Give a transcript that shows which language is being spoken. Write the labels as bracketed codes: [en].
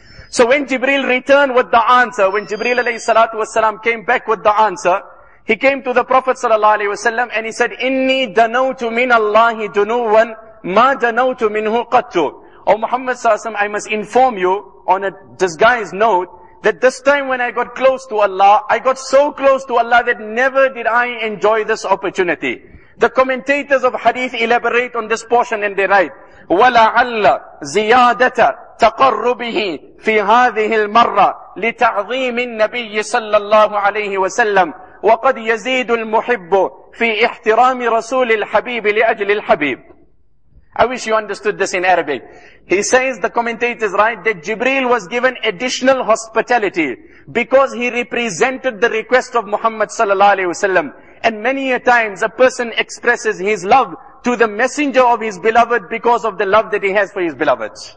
[en] So when Jibreel returned with the answer, when Jibreel alayhi salatu wasalam came back with the answer, he came to the Prophet sallallahu alayhi wa sallam and he said, [ar] Inni danawtu min Allahi dunuwan ma danawtu minhu qattu. [en] O Muhammad sallallahu alayhi wa sallam, I must inform you on a disguised note that this time when I got close to Allah, I got so close to Allah that never did I enjoy this opportunity. The commentators of hadith elaborate on this portion and they write, [ar] وَلَعَلَّ زِيَادَةَ تَقَرُّبِهِ فِي هَذِهِ الْمَرَّةِ لِتَعْظِيمِ النَّبِيِّ صَلَّى اللَّهُ عَلَيْهِ وَسَلَّمْ وَقَدْ يَزِيدُ الْمُحِبُّ فِي احْتِرَامِ رَسُولِ الْحَبِيبِ لِأَجْلِ الْحَبِيبِ. [en] I wish you understood this in Arabic. He says, the commentators write, that Jibreel was given additional hospitality because he represented the request of Muhammad sallallahu alayhi wasallam. And many a times a person expresses his love to the messenger of his beloved because of the love that he has for his beloved.